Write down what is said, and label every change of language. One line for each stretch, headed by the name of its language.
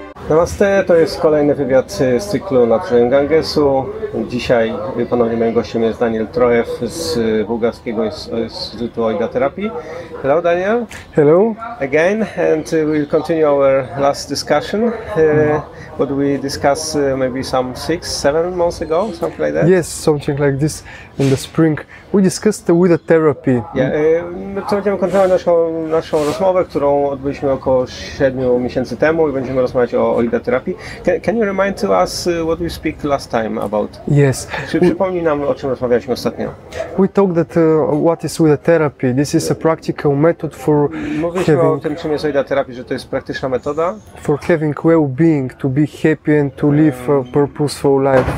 Polish: Namaste, to jest kolejny wywiad z cyklu Naturalnym Gangesu. Dzisiaj ponownie moim gościem jest Daniel Trojew z bułgarskiego Instytutu Oida Therapy.
English: Hello Daniel. Hello. Again, and we'll continue our last discussion. What we discussed maybe some 6-7 months ago, something like that? Yes, something like this in the spring. We discussed the Oida Therapy.
Polish: To będziemy kontynuować naszą rozmowę, którą odbyliśmy około 7 miesięcy temu i będziemy rozmawiać o Oida Therapy.
English: Can you remind to us what we speak last time about? Yes.
Polish: Przypomnij nam, o czym rozmawialiśmy ostatnio.
English: We talked that what is Oida Therapy. This is a practical method for
Polish: mówiliśmy o tym, czym jest Oida Therapy, że to jest praktyczna metoda.
English: For having well-being, to be happy and to live a purposeful life.